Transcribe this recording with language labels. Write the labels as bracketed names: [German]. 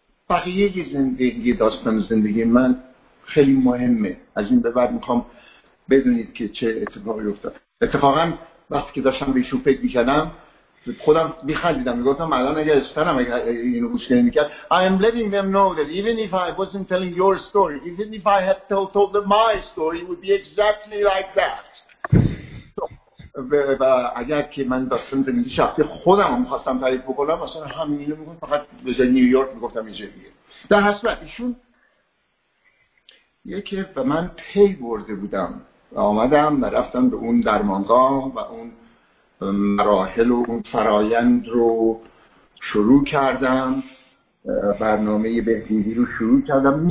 [Persian] بقیه زندگی داستان زندگی من خیلی مهمه. از این به بعد میخوام بدونید که چه اتفاقی افتاد. اتفاقا وقتی که داشتم به ایشون فکر میکردم خودم میخندیدم، میگفتم الان اگر استنم اینو گوش نمیکرد. [English] I am letting them know that even if I wasn't telling your story, even if I had told them my story, it would be exactly like that. [Persian] و اگر که من داستان زندگی شخصی خودم رو میخواستم تعریف بکنم، اصلا همین اینو میگفتم، فقط به جای نیویورک میگفتم اینجا دیگه. در حسرت ایشون یکی به من پی برده بودم و آمدم و رفتم به اون درمانگاه و اون مراحل و اون فرایند رو شروع کردم، برنامه بهبودی رو شروع کردم.